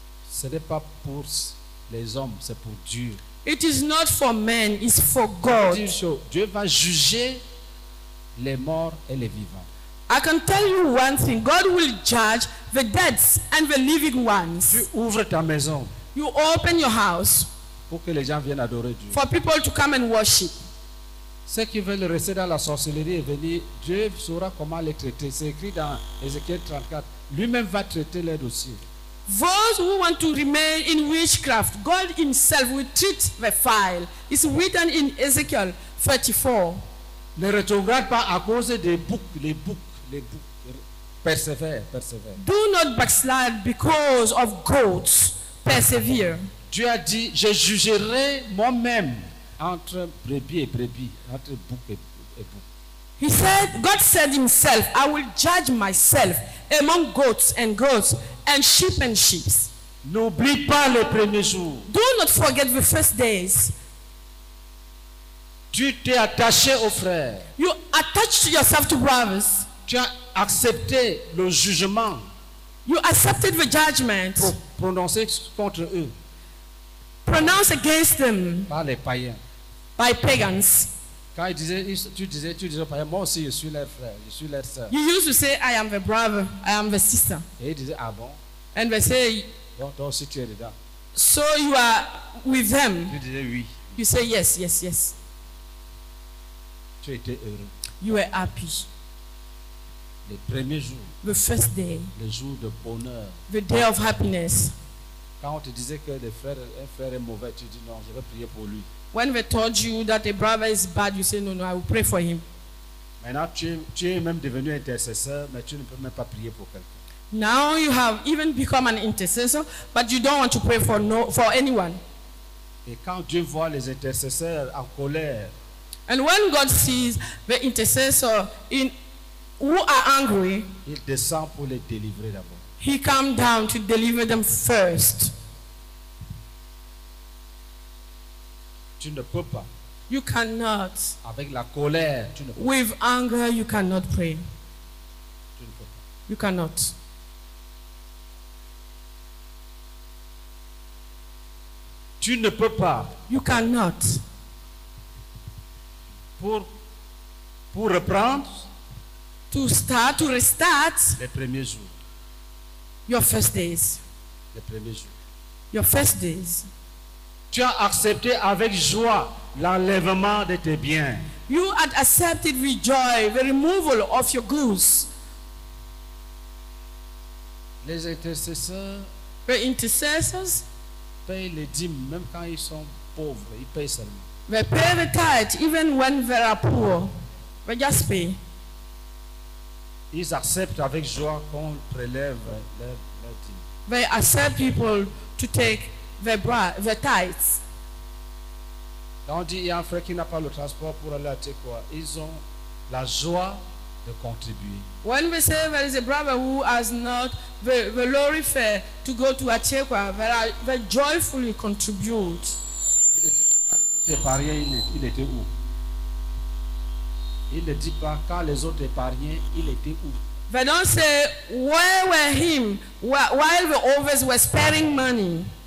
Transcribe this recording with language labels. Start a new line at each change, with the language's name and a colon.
French: Ce n'est pas pour les hommes, c'est pour Dieu.
English: It is not for men, it's for God.
French: Dieu va juger les morts et les vivants.
English: I can tell you one thing. God will judge the dead and the living ones.
French: Tu ouvres ta maison.
English: You open your house.
French: Pour que les gens viennent adorer Dieu.
English: For people to come and worship.
French: Ceux qui veulent rester dans la sorcellerie et venir, Dieu saura comment les traiter. C'est écrit dans Ézéchiel 34. Lui-même va traiter leur dossier.
English: Those who want to remain in witchcraft, God himself will treat the file. It's written in Ezekiel 34.
French: Ne retrograde pas à cause des boucs, les boucs, les boucs. Persévère.
English: Do not backslide because of goats. Persevere.
French: Dieu a dit, je jugerai moi-même entre brebis et brebis, entre boucs et boucs.
English: He said, God said himself, I will judge myself among goats and goats and sheep and sheep.
French: N'oublie pas les premiers jours.
English: Do not forget the first days.
French: Tu t'es attaché aux frères.
English: You attached yourself to brothers.
French: Tu as accepté le jugement.
English: You accepted the judgment.
French: Prononcé contre eux.
English: Pronounced against them.
French: Par les païens.
English: By pagans.
French: Quand il disait, tu disais, par exemple, moi aussi, je suis leur frère, je suis leur sœur.
English: You used to say, I am the brother, I am the sister.
French: Et il disait, ah bon?
English: And they say,
French: bon, toi aussi, tu es dedans.
English: So you are with them.
French: Tu disais, oui.
English: You say, yes.
French: Tu étais heureux.
English: You were happy.
French: Les premiers jours.
English: The first day.
French: Les jours de bonheur.
English: The day of happiness.
French: Quand on te disait que le frère, un frère est mauvais, tu dis, non, je vais prier pour lui.
English: When they told you that a brother is bad, you say, no, I will pray for him.
French: Maintenant, tu es même devenu intercesseur, mais tu ne peux même pas prier pour quelqu'un.
English: Now you have even become an intercessor, but you don't want to pray for anyone.
French: Et quand Dieu voit les intercesseurs en colère,
English: and when God sees the intercessor who are angry,
French: il descend pour les délivrer d'abord.
English: He comes down to deliver them first.
French: Tu ne peux pas.
English: You cannot.
French: Avec la colère, tu ne peux
English: with
French: pas.
English: Anger, you cannot pray.
French: Tu ne peux pas.
English: You cannot.
French: Tu ne peux pas.
English: You cannot.
French: Pour reprendre.
English: To start, to restart.
French: Les premiers jours.
English: Your first days.
French: Les premiers jours.
English: Your first days.
French: Tu as accepté avec joie l'enlèvement de tes biens.
English: You had accepted with joy the removal of your goods.
French: Les intercesseurs,
English: the intercessors,
French: payent les dîmes même quand ils sont pauvres. Ils payent seulement.
English: They pay the tithe even when they are poor. They just pay.
French: Ils acceptent avec joie qu'on prélève leur dîme.
English: They accept people to take their bra, their tithes.
French: Quand on dit il y a un frère qui n'a pas le transport pour aller à Tekoa, ils ont la joie de contribuer.
English: When we say there is a brother who has not the lorry fare to go to Tekoa, they joyfully contribute.
French: C'est pareil, il était où? Il ne dit pas quand les autres épargnaient, il était où?
English: They don't say where were him while the others were sparing money.